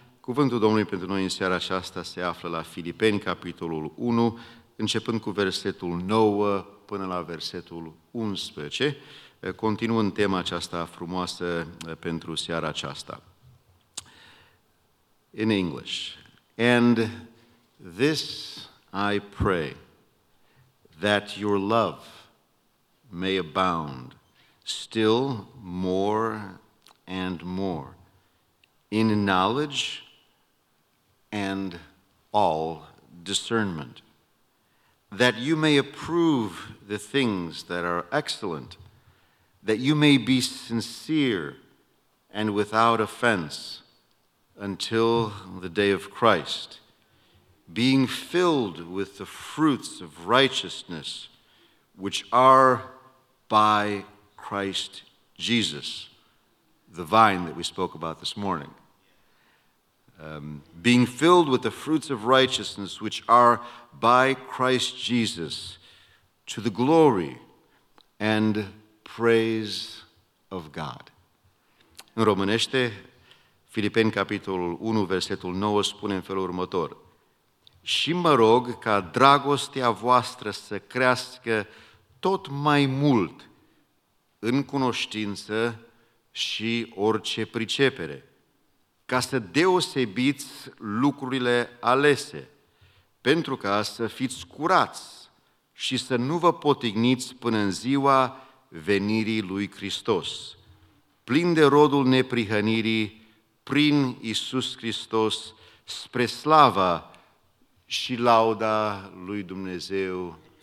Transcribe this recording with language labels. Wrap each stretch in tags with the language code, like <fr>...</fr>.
<ro>Cuvântul Domnului pentru noi în seara aceasta se află la Filipeni, capitolul 1, începând cu versetul 9 până la versetul 11. Continuând tema aceasta frumoasă pentru seara aceasta.</ro> <en>In English. And this I pray, that your love may abound still more and more in knowledge and all discernment, that you may approve the things that are excellent, that you may be sincere and without offense until the day of Christ, being filled with the fruits of righteousness, which are by Christ Jesus, the vine that we spoke about this morning. Being filled with the fruits of righteousness, which are by Christ Jesus, to the glory and praise of God.</en> <ro>În românește, Filipeni capitolul 1, versetul 9 spune în felul următor: și mă rog ca dragostea voastră să crească tot mai mult în cunoștință și orice pricepere, ca să deosebiți lucrurile alese, pentru ca să fiți curați și să nu vă potigniți până în ziua venirii lui Hristos, plin de rodul neprihănirii prin Iisus Hristos, spre slava și lauda lui Dumnezeu.</ro>